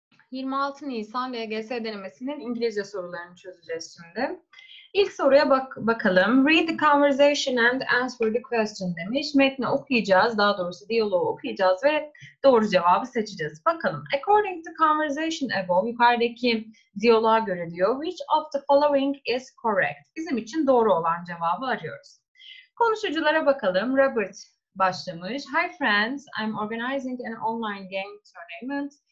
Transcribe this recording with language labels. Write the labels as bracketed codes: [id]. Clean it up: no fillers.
[tr] 26 Nisan LGS denemesinin İngilizce sorularını çözeceğiz şimdi. İlk soruya bakalım. [en] Read the conversation and answer the question demiş. [tr] Metni okuyacağız. Daha doğrusu diyaloğu okuyacağız ve doğru cevabı seçeceğiz. Bakalım. [en] According to the conversation above, [tr] yukarıdaki diyaloğa göre diyor, [en] which of the following is correct? [tr] Bizim için doğru olan cevabı arıyoruz. Konuşuculara bakalım. Robert başlamış. [en] Hi friends, I'm organizing an online game tournament.